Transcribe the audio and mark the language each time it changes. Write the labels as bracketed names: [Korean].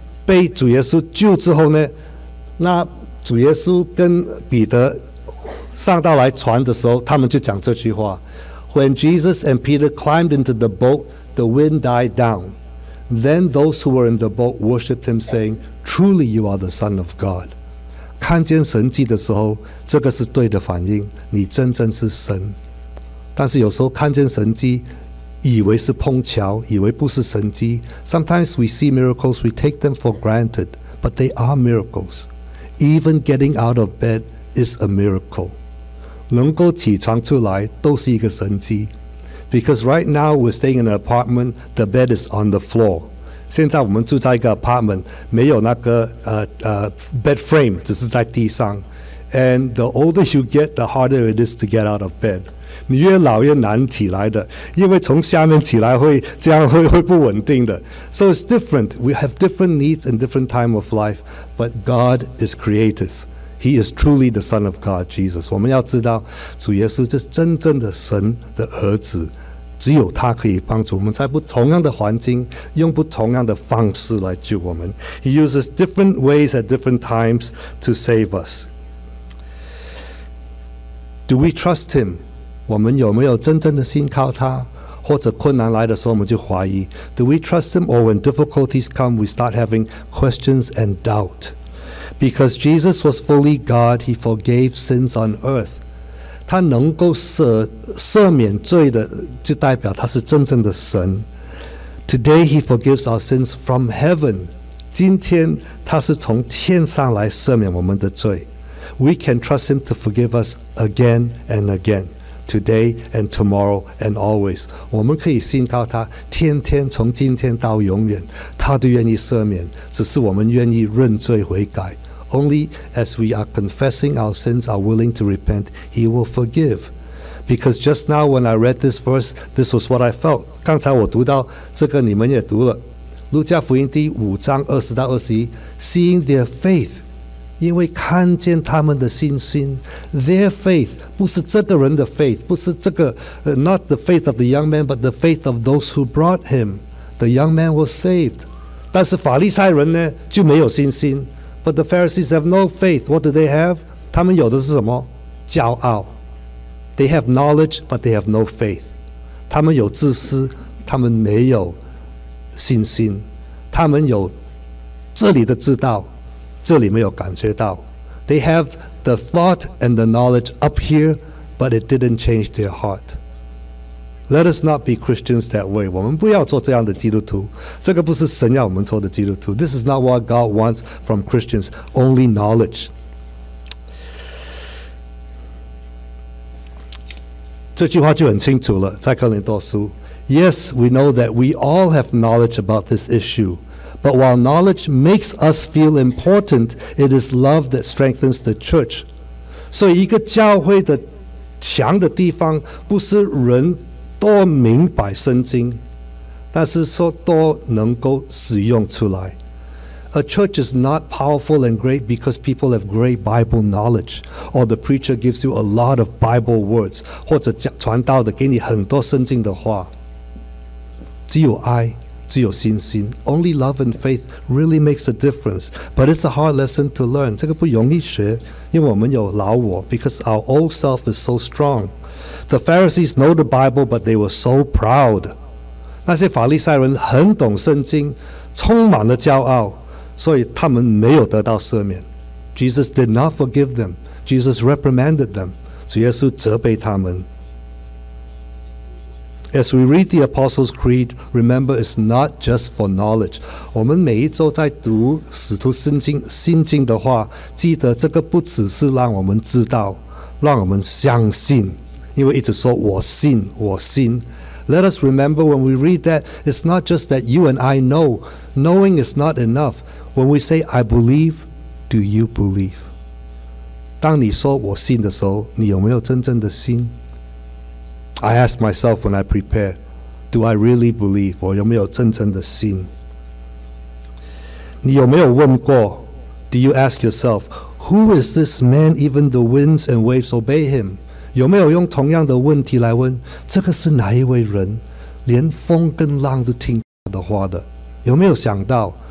[Chinese] 被主耶稣救之后呢，那主耶稣跟彼得上到来船的时候，他们就讲这句话。 [English] When Jesus and Peter climbed into the boat, the wind died down. Then those who were in the boat worshipped him, saying, Truly you are the Son of God. [Chinese] 看见神迹的时候，这个是对的反应，你真正是神。但是有时候看见神迹，以为是碰巧，以为不是神迹。 [English] Sometimes we see miracles, we take them for granted, but they are miracles. Even getting out of bed is a miracle. [Chinese] 能够起床出来都是一个神迹 [English] Because right now we're staying in an apartment The bed is on the floor [Chinese] 现在我们住在一个 apartment 没有那个bed frame 只是在地上 [English] And the older you get The harder it is to get out of bed [Chinese] 你越老越难起来的因为从下面起来会这样 会不稳定的 [English] So it's different We have different needs in different time of life But God is creativeHe is truly the Son of God, Jesus. [Chinese] 我们要知道主耶稣是真正的神的儿子，只有他可以帮助我们在不同样的环境，用不同样的方式来救我们。 [English] He uses different ways at different times to save us. Do we trust him? [Chinese] 我们有没有真正的信靠他？或者困难来的时候，我们就怀疑。 [English] Do we trust him? Or when difficulties come, we start having questions and doubt? Because Jesus was fully God, he forgave sins on earth. [Chinese] 他能够赦免罪的，就代表他是真正的神。 [English] Today he forgives our sins from heaven. [Chinese] 今天他是从天上来赦免我们的罪。 [English] We can trust him to forgive us again and again, today and tomorrow and always. [Chinese] 我们可以信靠他，天天从今天到永远，他都愿意赦免，只是我们愿意认罪悔改。 [English] Only as we are confessing our sins, are willing to repent, He will forgive. Because just now when I read this verse, this was what I felt. [Chinese] 刚才我读到这个，你们也读了《路加福音》第五章二十到二十一。 [English] Seeing their faith, [Chinese] 因为看见他们的信心 [English] ，their faith [Chinese] 不是这个人的 [English] faith， [Chinese] 不是这个 [English] not the faith of the young man, but the faith of those who brought him. The young man was saved. [Chinese] 但是法利赛人呢，就没有信心。 [English] But the Pharisees have no faith. What do they have? [Chinese] 他们有的是什么？骄傲。 [English] They have knowledge, but they have no faith. [Chinese] 他们有自私，他们没有信心。他们有这里的知道，这里没有感觉到。 [English] They have the thought and the knowledge up here, but it didn't change their heart. Let us not be Christians that way. [Chinese] 我们不要做这样的基督徒。这个不是神要我们做的基督徒。 [English] This is not what God wants from Christians. Only knowledge. [Chinese] 这句话就很清楚了，在哥林多书。 [English] Yes, we know that we all have knowledge about this issue. But while knowledge makes us feel important, it is love that strengthens the church. [Chinese] 所以一个教会的强的地方不是人多明白圣经，但是说多能够使用出来。 [English] A church is not powerful and great because people have great Bible knowledge, or the preacher gives you a lot of Bible words, [Chinese] 或者传道的给你很多圣经的话。只有爱，只有信心。 [English] Only love and faith really makes a difference, but it's a hard lesson to learn. [Chinese] 这个不容易学，因为我们有老我 [English] because our old self is so strong. The Pharisees know the Bible, but they were so proud. [Chinese] 那些法利赛人很懂圣经，充满了骄傲，所以他们没有得到赦免。 [English] Jesus did not forgive them. Jesus reprimanded them. [Chinese] 主耶稣责备他们。 [English] As we read the Apostles' Creed, remember it's not just for knowledge. [Chinese] 我们每一周在读使徒圣经信经的话，记得这个不只是让我们知道，让我们相信。因为一直说我信我信 [English] Let us remember when we read that It's not just that you and I know Knowing is not enough When we say I believe Do you believe? [Chinese] 当你说我信的时候你有没有真正的信 [English] I ask myself when I prepare Do I really believe? [Chinese] 我有没有真正的信你有没有问过 [English] Do you ask yourself Who is this man even the winds and waves obey him? [Chinese] 有没有用同样的问题来问这个是哪一位人连风跟浪都听他的话的有没有想到